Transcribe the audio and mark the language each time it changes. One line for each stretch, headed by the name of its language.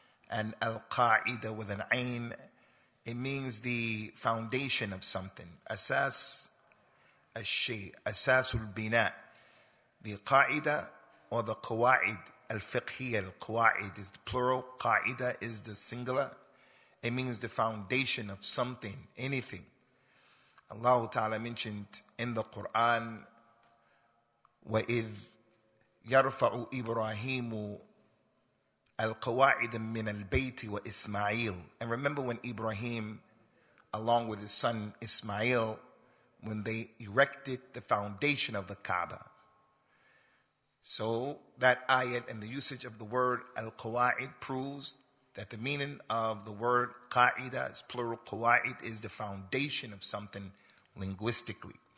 English: And al-qa'ida with an ayn, it means the foundation of something.
Arabic: Asas al-shay, asasul bina.
English: The qa'ida or the qawaid, al-fiqhiyyah, al-qawaid is the plural, qa'ida is the singular. It means the foundation of something, anything. Allah Ta'ala mentioned in the Quran,
Arabic: وَإِذْ يَرْفَعُ إِبْرَاهِيمُ الْقَوَاعِدَ مِنَ الْبَيْتِ وَإِسْمَعِيلُ.
English: And remember when Ibrahim, along with his son Ismail, when they erected the foundation of the Kaaba. So that ayat and the usage of the word al-qawa'id proves that the meaning of the word qa'ida, it's plural qawa'id, is the foundation of something linguistically.